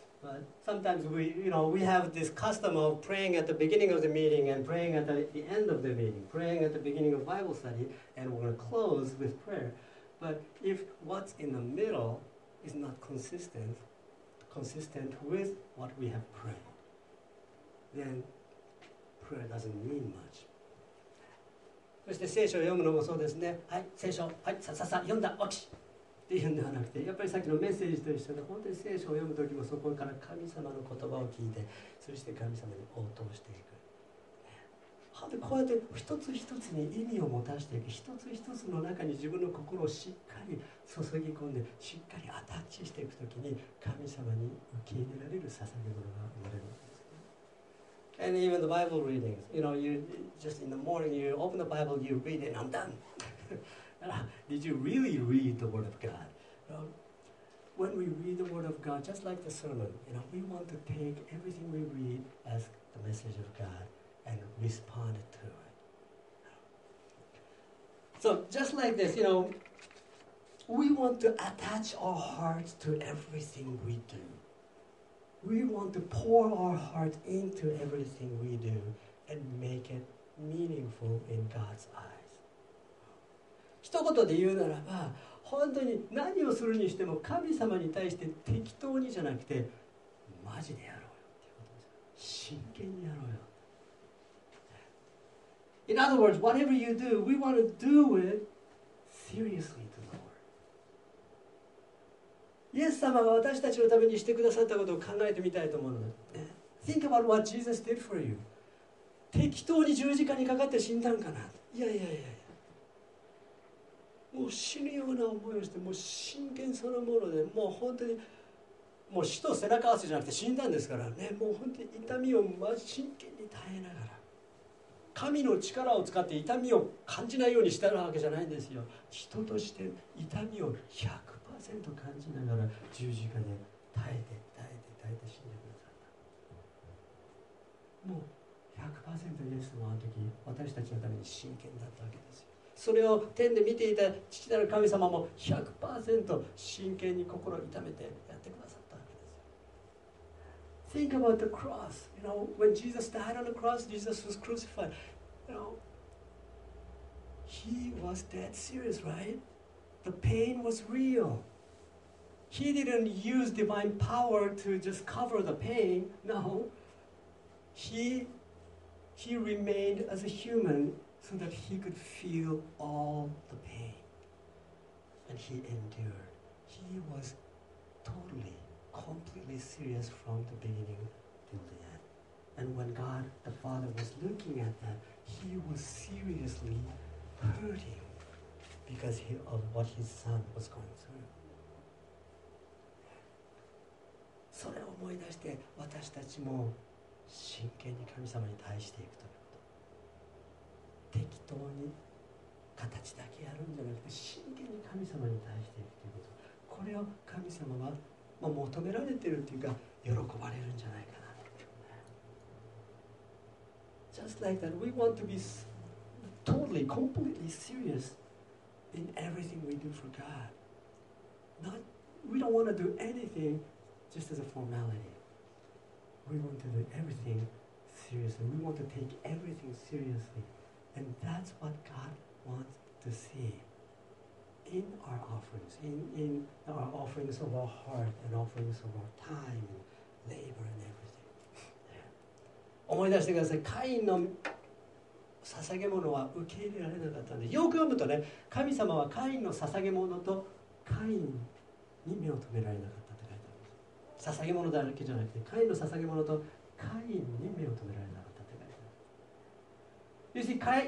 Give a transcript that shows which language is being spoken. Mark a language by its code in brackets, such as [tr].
[en] But sometimes we have this custom of praying at the beginning of the meeting and praying at the end of the meeting, praying at the beginning of Bible study, and we're going to close with prayer. But if what's in the middle is not consistent with what we have prayed, then prayer doesn't mean much. [ja] そして聖書を読むのもそうですね。はい、聖書、はい、ささ、読んだ、起き。っていうんではなくて、やっぱりさっきのメッセージと一緒で、本当に聖書を読むときもそこから神様の言葉を聞いて、そして神様に応答していく。本当にこうやって一つ一つに意味を持たせていく、一つ一つの中に自分の心をしっかり注ぎ込んで、しっかりアタッチしていくときに、神様に受け入れられる捧げ物が生まれるんです。 [en] And even the Bible readings, you know, you just in the morning you open the Bible, you read it, and I'm done. Did you really read the Word of God? You know, when we read the Word of God, just like the sermon, you know, we want to take everything we read as the message of God and respond to it. So just like this, you know, we want to attach our hearts to everything we do. We want to pour our heart into everything we do and make it meaningful in God's eyes. [ja] 一言で言うならば、本当に何をするにしても神様に対して適当にじゃなくて、マジでやろうよっていうことです。真剣にやろうよ。 [en] In other words, whatever you do, we want to do it seriously to the Lord. [ja] イエス様が私たちのためにしてくださったことを考えてみたいと思うので、 [en] Think about what Jesus did for you. [ja] 適当に十字架にかかって死んだんかな。いやいやいや。もう死ぬような思いをして、もう真剣そのもので、もう本当にもう死と背中合わせじゃなくて死んだんですからね、もう本当に痛みを真剣に耐えながら、神の力を使って痛みを感じないようにしたわけじゃないんですよ。人として痛みを 100% 100% 感じながら十字架で耐えて耐えて耐えて死んでくださった。もう 100% イエス様の時、私たちのために真剣だったわけですよ。それを天で見ていた父なる神様も 100% 真剣に心を痛めてやってくださったわけですよ。 [en] Think about the cross. You know, when Jesus died on the cross, Jesus was crucified. You know, he was dead serious, right? The pain was real. He didn't use divine power to just cover the pain. No. He remained as a human so that he could feel all the pain. And he endured. He was totally, completely serious from the beginning till the end. And when God the Father was looking at that, he was seriously hurting because of what his son was going through. [ja] それを思い出して私たちも真剣に神様に対していくということ、適当に形だけやるんじゃなくて真剣に神様に対していくということ、これを神様は求められているというか喜ばれるんじゃないかな。 [en] Just like that, we want to be totally, completely serious in everything we do for God. Not, we don't want to do anything just as a formality. We want to do everything seriously. We want to take everything seriously. And that's what God wants to see in our offerings, in our offerings of our heart and offerings of our time and labor and everything. [ja] 思い出してください。カインの捧げ物は受け入れられなかったので、よく読むとね、神様はカインの捧げ物とカインに目を留められなかったって書いてあるんです。捧げ物だけじゃなくて、カインの捧げ物とカインに目を留められなかったって書いてある。